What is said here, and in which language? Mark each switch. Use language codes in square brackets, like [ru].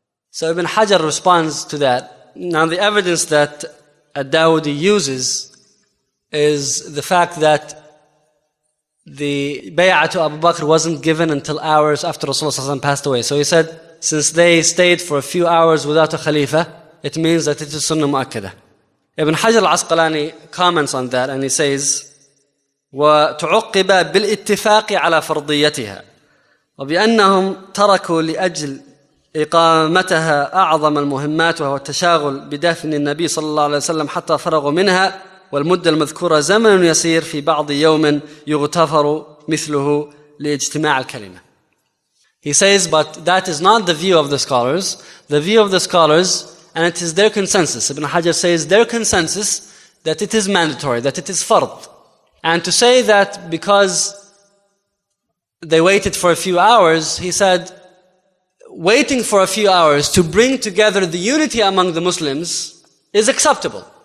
[en] So Ibn Hajar responds to that. Now the evidence that Dawoodi uses is the fact that the bay'ah to Abu Bakr wasn't given until hours after Rasulullah ﷺ passed away. So he said, since they stayed for a few hours without a khalifa, it means that it is sunnah mu'akkada. Ibn Hajar al-Asqalani comments on that and he says, [ar] وَتُعُقِّبَ بِالْإِتِّفَاقِ عَلَى فَرْضِيَّتِهَا وَبِأَنَّهُمْ تَرَكُوا لِأَجْلِ إِقَامَتَهَا أَعْظَمَ الْمُهِمَّاتُ وَهُوَ التَّشَاغُلْ بِدَفْنِ النَّبِي صلى الله عليه وسلم حَتَّى فَرَغُوا مِنْهَا وَالْمُدَّ الْمَذْكُورَةَ زَمَنٌ يَسِيرٌ فِي بَعْضِ يَوْمٍ يُغْتَفَرُ مِثْلُهُ لِإِجْتِمَاعِ الْكَلِمَةِ [en] He says, but that is not the view of the scholars. The view of the scholars, and it is their consensus. Ibn Hajar says their consensus that it is mandatory, that it is fard. And to say that because they waited for a few hours, he said, waiting for a few hours to bring together the unity among the Muslims is acceptable.